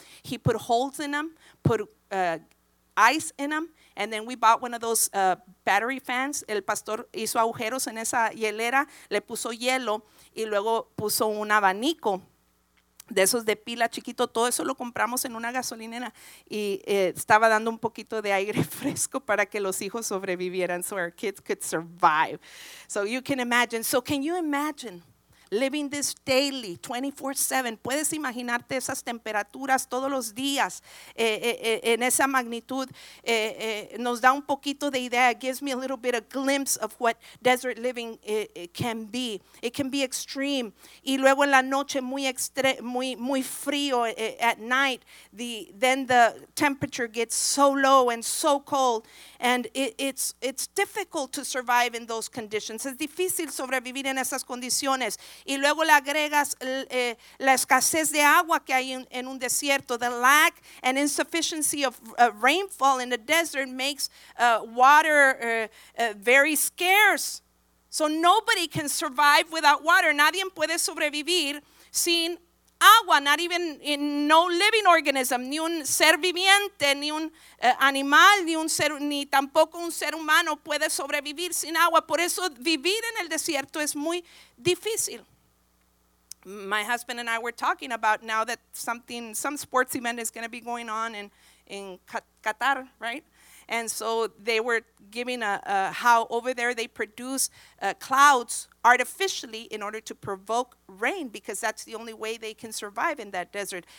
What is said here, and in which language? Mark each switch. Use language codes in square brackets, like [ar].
[en] He put holes in them, put ice in them, and then we bought one of those battery fans. [es] El pastor hizo agujeros en esa hielera, le puso hielo y luego puso un abanico de esos de pila chiquito. Todo eso lo compramos en una gasolinera y estaba dando un poquito de aire fresco para que los hijos sobrevivieran, so our kids could survive. So you can imagine. So can you imagine living this daily, 24/7? ¿Puedes imaginarte esas temperaturas todos los días en esa magnitud? [en] Nos da un poquito de idea. It gives me a little bit of glimpse of what desert living can be. [es] It can be extreme. Y luego en la noche muy frío at night. [en] Then the temperature gets so low and so cold. And it's difficult to survive in those conditions. [es] Es difícil sobrevivir en esas condiciones. Y luego le agregas la escasez de agua que hay en un desierto. [en] The lack and insufficiency of rainfall in the desert makes water very scarce. So nobody can survive without water. Nadie puede sobrevivir sin agua. [es] Not even in no living organism, ni un ser viviente, ni un animal, ni tampoco un ser humano puede sobrevivir sin agua. Por eso vivir en el desierto es muy difícil. [en] My husband and I were talking about now that some sports event is going to be going on in Qatar, right? And so they were giving how over there they produce clouds artificially in order to provoke rain, because that's the only way they can survive in that desert.